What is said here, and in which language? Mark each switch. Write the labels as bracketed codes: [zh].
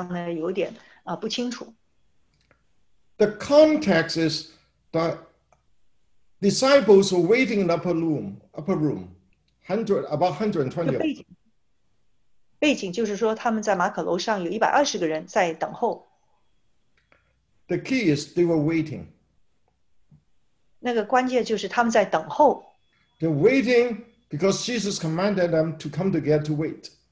[zh] 那我要用一点时间跟我们中文的人来解释，因为那个翻译上呢有点不清楚。 [en] The context is that disciples were waiting in the upper room, about 120 of them. [zh] 背景就是说他们在马可楼上有120个人在等候。 [en] The key is they were waiting. [zh] 那个关键就是他们在等候。 [en] They're waiting because Jesus commanded them to come together to wait.